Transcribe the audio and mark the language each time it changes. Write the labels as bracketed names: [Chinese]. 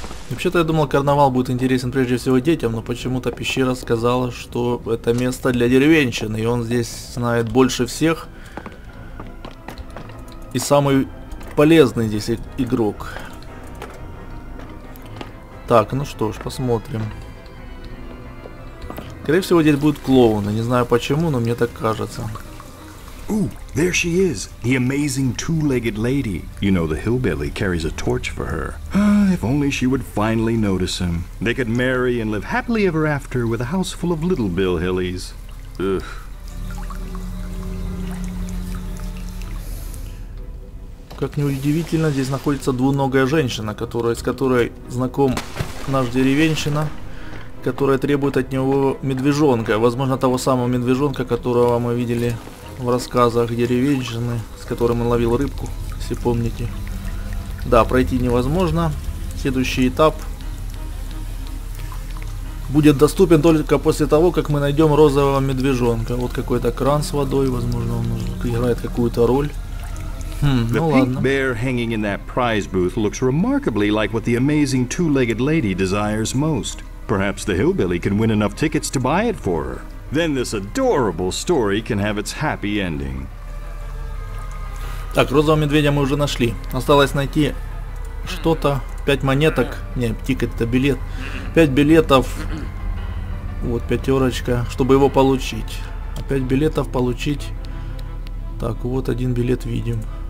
[Russian] Вообще-то я думал, карнавал будет интересен прежде всего детям, но почему-то пещера сказала, что это место для деревенщины, и он здесь знает больше всех. И самый полезный здесь игрок. Так, ну что ж, посмотрим. Скорее всего, здесь будут клоуны. Не знаю почему, но мне так кажется. [English] Ooh, there she is, the amazing two-legged lady. You know, the hillbilly carries a torch for her. If only she would finally notice him. They could marry and live happily ever after with a house full of little billhillies. Ugh. [Russian] Как ни удивительно, здесь находится двуногая женщина, с которой знаком наш деревенщина, которая требует от него медвежонка. Возможно, того самого медвежонка, которого мы видели в рассказах деревенщины, с которым он ловил рыбку, если помните. Да, пройти невозможно. Следующий этап будет доступен только после того, как мы найдем розового медвежонка. Вот какой-то кран с водой, возможно, он играет какую-то роль. [English] The pink bear hanging in that prize booth looks remarkably like what the amazing two-legged lady desires most. Perhaps the hillbilly can win enough tickets to buy it for her. Then this adorable story can have its happy ending. [Russian] Так, розового медведя мы уже нашли. Осталось найти что-то. 5 монеток. Не, тикет, это билет. 5 билетов. Вот пятерочка, чтобы его получить. 5 билетов получить. Так, вот один билет видим.